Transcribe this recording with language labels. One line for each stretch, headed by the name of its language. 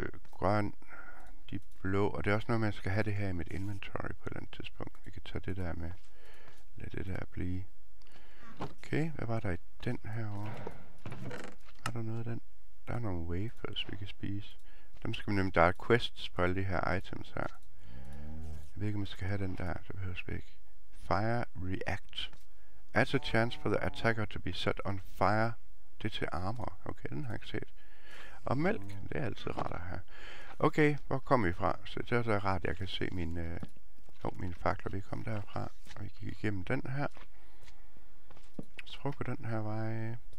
Danish: Grøn, de blå, og det er også noget, man skal have det her i mit inventory på et eller andet tidspunkt. Vi kan tage det der med. Lad det der blive. Okay, hvad var der i den herovre? Er der noget af den? Der er nogle wafers, vi kan spise. Dem skal vi nemlig, der er quests på alle de her items her. Jeg ved ikke, om vi skal have den der, det behøves vi ikke.
English: Fire react. Adds a chance for the attacker to be set on fire.
Danish: Det er til armor. Okay, den har jeg ikke set. Og mælk, det er altid rart at have. Okay, hvor kommer vi fra? Så det er så rart, at jeg kan se mine fakler, vi kom derfra. Og vi gik igennem den her. Trukker den her vej.